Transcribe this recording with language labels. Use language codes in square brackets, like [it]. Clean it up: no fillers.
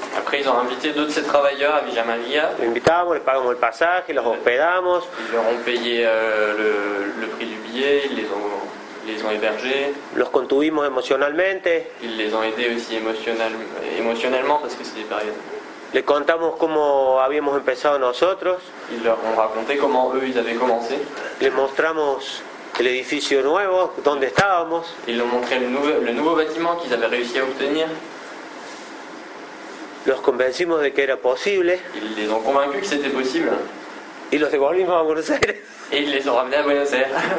[fr] Après, ils ont invité deux de ces travailleurs à Villa María. [es] Les invitamos, les pagamos el pasaje, los hospedamos. [fr] Ils leur ont payé le prix du billet, ils les ont hébergés. [es] Los contuvimos emocionalmente. [fr] Ils les ont aidés aussi émotionnellement parce que c'est des périodes. [es] Les contamos cómo habíamos empezado nosotros. [fr] Ils leur ont raconté comment eux ils avaient commencé. [es] Les mostramos el edificio nuevo donde estábamos. [fr] Ils leur ont montré le nouveau bâtiment qu'ils avaient réussi à obtenir. [es] Los convencimos de que era posible. [fr] Ils les ont convaincus que c'était possible. [es] Y los devolvimos a Buenos Aires. [fr] Et ils les ont ramenés à Buenos Aires.